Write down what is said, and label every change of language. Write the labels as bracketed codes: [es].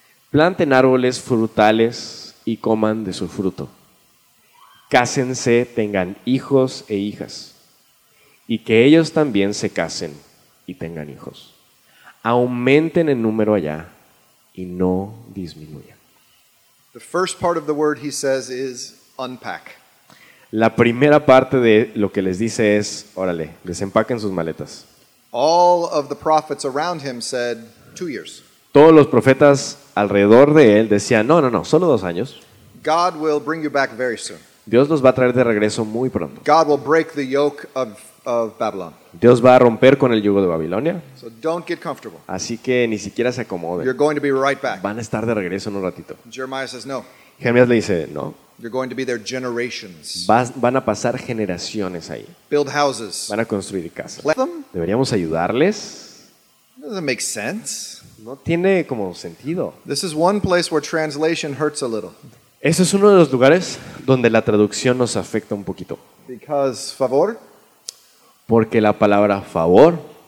[es] Planten árboles frutales y coman de su fruto. Cásense, tengan hijos e hijas, y que ellos también se casen y tengan hijos. Aumenten en número allá y no disminuyan. [en] The first part of the word he says is unpack. [es] La primera parte de lo que les dice es, órale, desempaquen sus maletas. [en] All of the prophets around him said 2 years. [es] Todos los profetas alrededor de él decían, no, solo 2 años. [en] God will bring you back very soon. [es] Dios los va a traer de regreso muy pronto. [en] God will break the yoke of Babylon. [es] Dios va a romper con el yugo de Babilonia. [en] So don't get comfortable. [es] Así que ni siquiera se acomoden. [en] You're going to be right back. [es] Van a estar de regreso en un ratito. [en] Jeremiah says no. [es] Jeremías le dice no. [en] You're going to be there generations. [es] Van a pasar generaciones ahí. [en] Build houses. [es] Van a construir casas. [en] Let them? [es] ¿Deberíamos ayudarles? [en] Doesn't make sense. [es] No tiene como sentido. [en] This is one place where translation hurts a little. [es] Ese es uno de los lugares donde la traducción nos afecta un poquito. [en] Because favor? [es] Porque la palabra favor,